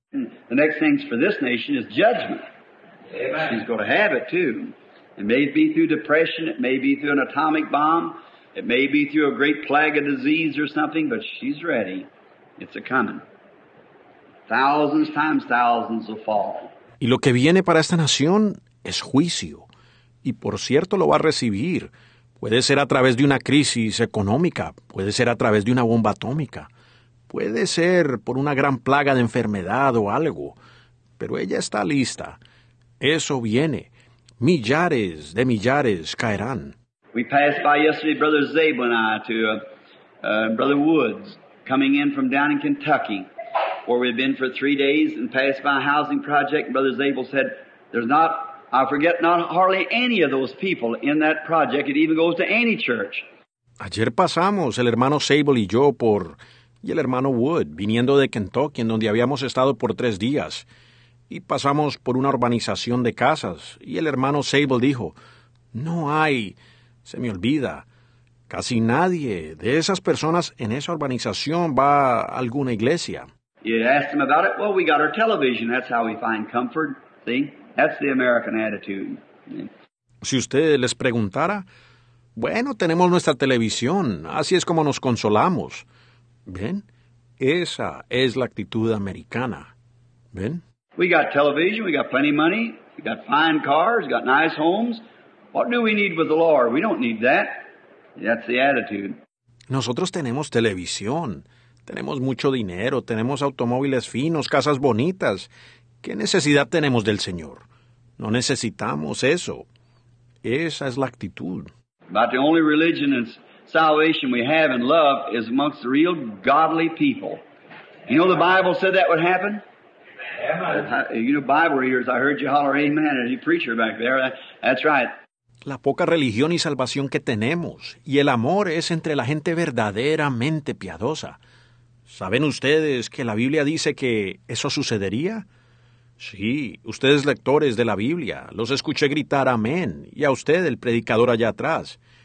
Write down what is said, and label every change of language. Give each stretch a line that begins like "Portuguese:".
English: The next thing for this nation is judgment. Amen. She's going to have it too. It may be through depression, it may be through an atomic bomb, it may be through a great plague of disease or something, but she's ready. It's a coming. Thousands times thousands will fall.
Spanish: Y lo que viene para esta nación es juicio. Y por cierto lo va a recibir. Puede ser a través de una crisis económica. Puede ser a través de una bomba atómica. Puede ser por una gran plaga de enfermedad o algo. Pero ella está lista. Eso viene. Millares de millares caerán.
English: We passed by yesterday, Brother Zabel and I, to Brother Woods, coming in from down in Kentucky, where we've been for 3 days, and passed by a housing project. Brother Zabel said, there's not, I forget, not hardly any of those people in that project. It even goes to any church.
Spanish: Ayer pasamos, el hermano Zabel y yo, por, y el hermano Wood, viniendo de Kentucky, en donde habíamos estado por 3 días, y pasamos por una urbanización de casas, y el hermano Zabel dijo, no hay, se me olvida, casi nadie de esas personas en esa urbanización va a alguna iglesia.
English: You asked him about it. Well, we got our television. That's how we find comfort. See, that's the American attitude.
Spanish: Si usted les preguntara, bueno, tenemos nuestra televisión. Así es como nos consolamos. ¿Ven? Esa es la actitud americana. ¿Ven?
English: We got television. We got plenty of money. We got fine cars. We got nice homes. What do we need with the Lord? We don't need that. That's the attitude.
Spanish: Nosotros tenemos televisión. Tenemos mucho dinero, tenemos automóviles finos, casas bonitas. ¿Qué necesidad tenemos del Señor? No necesitamos eso. Esa es la actitud.
English: About the only religion and salvation we have in love is amongst the real godly people. You know the Bible said that would happen? Amen. You know Bible readers, I heard you holler amen at your preacher back there. That's right.
Spanish: La poca religión y salvación que tenemos y el amor es entre la gente verdaderamente piadosa. ¿Saben ustedes que la Biblia dice que eso sucedería? Sí, ustedes lectores de la Biblia, los escuché gritar amén, y a usted, el predicador allá atrás.